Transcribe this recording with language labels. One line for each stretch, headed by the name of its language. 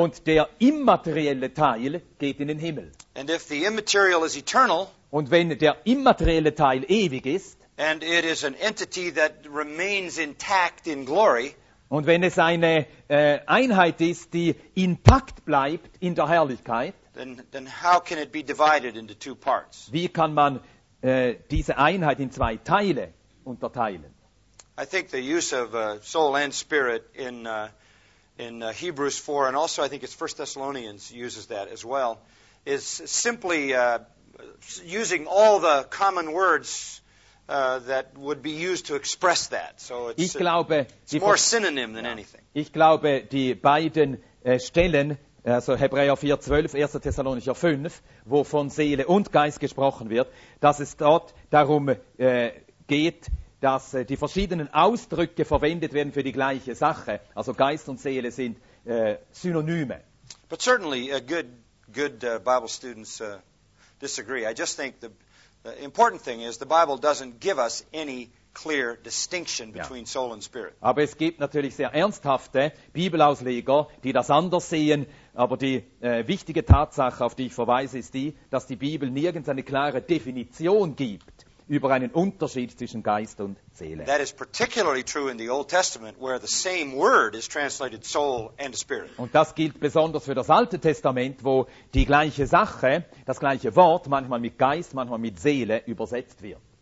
German: Und der immaterielle Teil geht in den Himmel.
English: And if the immaterial is eternal,
German: und wenn der immaterielle Teil ewig ist,
English: and it is an entity that remains intact in glory,
German: und wenn es eine Einheit ist, die intakt bleibt in der Herrlichkeit,
English: Then how can it be divided into two parts?
German: Wie kann man diese Einheit in zwei Teile unterteilen?
English: I think the use of soul and spirit in Hebrews 4, and also I think it's 1 Thessalonians uses that as well, is simply using all the common words that would be used to express that. So it's more synonym than anything.
German: Ich glaube, die beiden Stellen, also Hebräer 4, 12, 1. Thessalonicher 5, wovon Seele und Geist gesprochen wird, dass es dort darum geht, dass die verschiedenen Ausdrücke verwendet werden für die gleiche Sache. Also Geist und Seele sind Synonyme.
English: But certainly good Bible students disagree. I just think the important thing is the Bible doesn't give us any clear distinction between soul and spirit.
German: Aber es gibt natürlich sehr ernsthafte Bibelausleger, die das anders sehen. Aber die wichtige Tatsache, auf die ich verweise, ist die, dass die Bibel nirgends eine klare Definition gibt über einen Unterschied zwischen Geist und Seele.
English: That is particularly true in the Old Testament, where the same word is translated soul and spirit.
German: Und das gilt besonders für das Alte Testament, wo die gleiche Sache, das gleiche Wort, manchmal mit Geist, manchmal mit Seele übersetzt wird.